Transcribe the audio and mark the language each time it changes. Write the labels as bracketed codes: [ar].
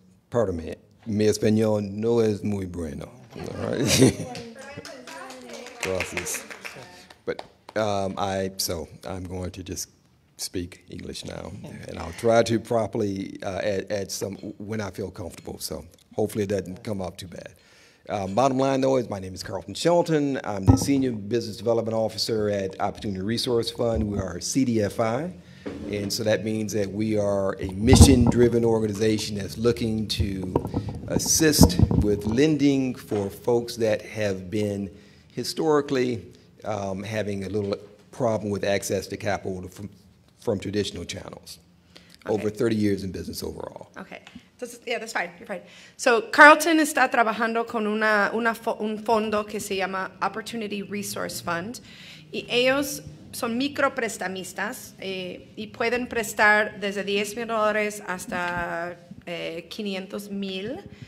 [en] Pardon me, [es] mi español no es muy bueno. [en] All right. [es] Gracias. [en] But I'm going to just speak English now, and I'll try to properly add some when I feel comfortable. So hopefully it doesn't come off too bad. Bottom line, though, is my name is Carlton Shelton. I'm the Senior Business Development Officer at Opportunity Resource Fund. We are CDFI. And so that means that we are a mission-driven organization that's looking to assist with lending for folks that have been historically having a little problem with access to capital from traditional channels. Okay. Over 30 years in business overall. Okay. That's fine. You're fine. [es] So Carlton está trabajando con un fondo que se llama Opportunity Resource Fund. Y ellos son microprestamistas y pueden prestar desde $10,000 hasta $500,000.